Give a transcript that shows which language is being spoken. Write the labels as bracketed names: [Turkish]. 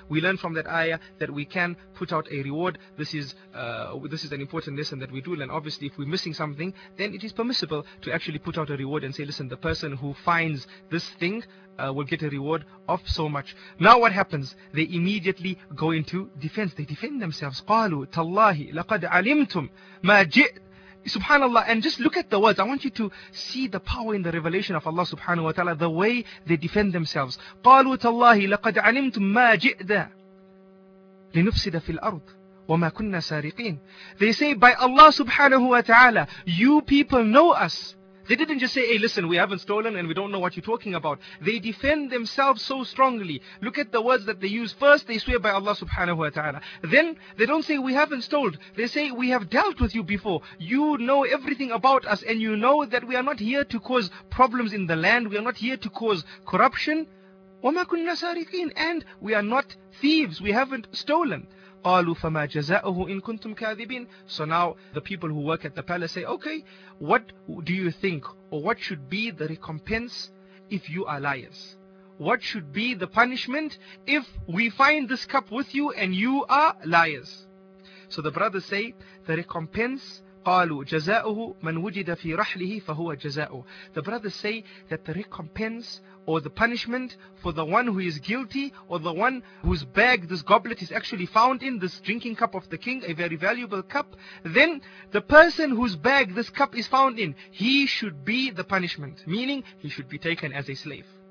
[English] We learn from that ayah that we can put out a reward. This is an important lesson that we do learn. Obviously, if we're missing something, then it is permissible to actually put out a reward and say, listen, the person who finds this thing, will get a reward of so much. Now what happens? They immediately go into defense. They defend themselves. [Arabic] قالوا تالله لقد علمتم ما جئت. [English] Subhanallah, and just look at the words. I want you to see the power in the revelation of Allah subhanahu wa ta'ala, the way they defend themselves. [Arabic] قالوا تالله لقد علمتم ما جئت لنفسد في الأرض وما كنا سارقين. [English] They say, by Allah subhanahu wa ta'ala, you people know us. They didn't just say, hey, listen, we haven't stolen and we don't know what you're talking about. They defend themselves so strongly. Look at the words that they use. First, they swear by Allah subhanahu wa ta'ala. Then, they don't say, we haven't stolen. They say, we have dealt with you before. You know everything about us and you know that we are not here to cause problems in the land. We are not here to cause corruption. [Arabic] وَمَا كُنَّا سَارِقِينَ. [English] And we are not thieves. We haven't stolen. [Arabic] قالوا فما جزاؤه إن كنتم كاذبين. [English] So now the people who work at the palace say, okay, what do you think, or what should be the recompense if you are liars? What should be the punishment if we find this cup with you and you are liars? So the brothers say, the recompense, [Arabic] قالوا جزاؤه من وجد في رحله فهو جزاؤه. [English] The brothers say that the recompense or the punishment for the one who is guilty, or the one whose bag this goblet is actually found in, this drinking cup of the king, a very valuable cup, then the person whose bag this cup is found in, he should be the punishment, meaning he should be taken as a slave.